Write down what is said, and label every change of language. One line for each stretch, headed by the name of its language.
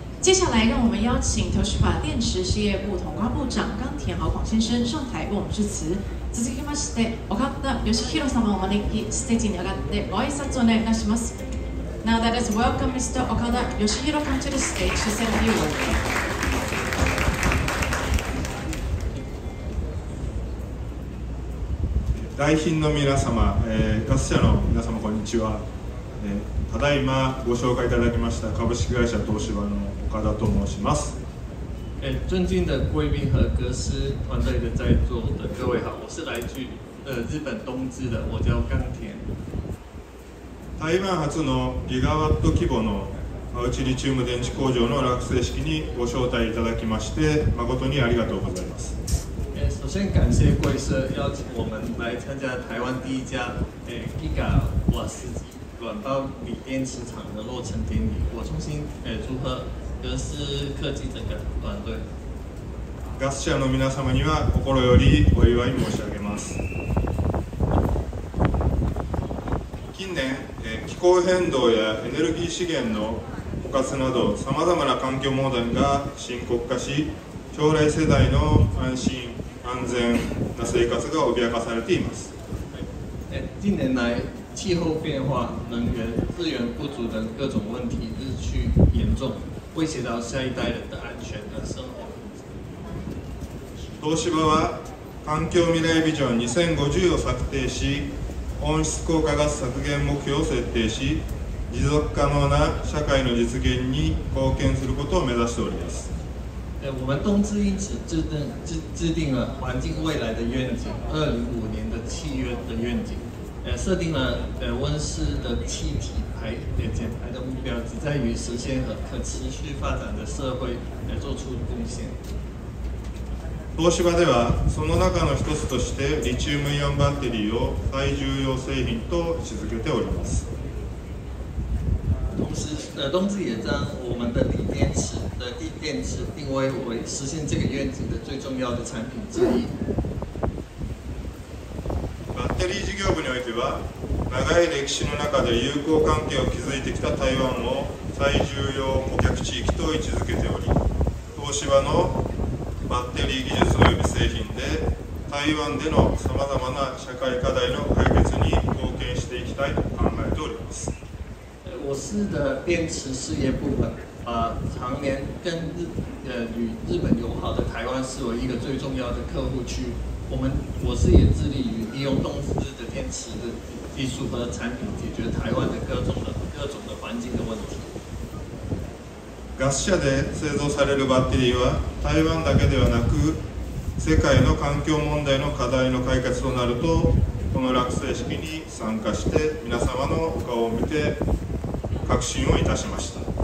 Chinese: 接下来，让我们邀请投资法电池事业部统括部长冈田豪广先生上台为我们致辞。
Japanese: 続きまして、岡田義弘様をお招きステージに上がってご挨拶をお願いいたします。
English: Now let us welcome Mr. Okada Yoshihiro come to the stage to say a few words.
Japanese: Dai Shin の皆様、ガス社の皆様こんにちは。ただいまご紹介いただきました株式会社東芝の岡田と申します。
Chinese: 尊敬的贵宾和歌诗团队的在座的各位好，我是来自日本东芝的，我叫冈田。
Japanese: 台湾初のギガワット規模のうちリチウム電池工場の落成式にご招待いただきまして誠にありがとうございます。
Chinese: 首先感谢贵社邀请我们来参加台湾第一家ギガワット管道锂电池厂的落成典礼，我衷心祝贺格斯科技整个团队。
Japanese: ガス社の皆様には心よりお祝い申し上げます。近年気候変動やエネルギー資源の枯渇などさまざまな環境問題が深刻化し、将来世代の安心安全な生活が脅かされています。
Chinese: 近年来气候变化、能源资源不足等各种问题日趋严重，威胁到下一代人的安全和生活。
Japanese: 東芝は環境未来ビジョン2050を策定し、温室効果ガス削減目標を設定し、持続可能な社会の実現に貢献することを目指しております。
Chinese: 我们东芝因此制定了环境未来的愿景，2050年的气约的愿景。设定了温室的气体排减排的目标，旨在于实现和可持续发展的社会做出贡献。
Japanese: 東芝ではその中の一つとしてリチウムイオンバッテリーを最重要製品と位置づけております。
Chinese: 東芝也将我们的锂电池定位为实现这个愿景的最重要的产品之一。
Japanese: バッテリー事業部においては、長い歴史の中で友好関係を築いてきた台湾を最重要顧客地域と位置づけており、東芝のバッテリー技術及び製品で、台湾でのさまざまな社会課題の解決に貢献していきたいと考えております。
Chinese: 我市的电池事业部分，常年跟与日本友好的台湾视为一个最重要的客户区。我是也致力于利用东芝的电池的技术和产品，解决台湾的各种的环境的问题。
Japanese: ガス社で製造されるバッテリーは台湾だけではなく、世界の環境問題の課題の解決となると、この落成式に参加して皆様のお顔を見て確信をいたしました。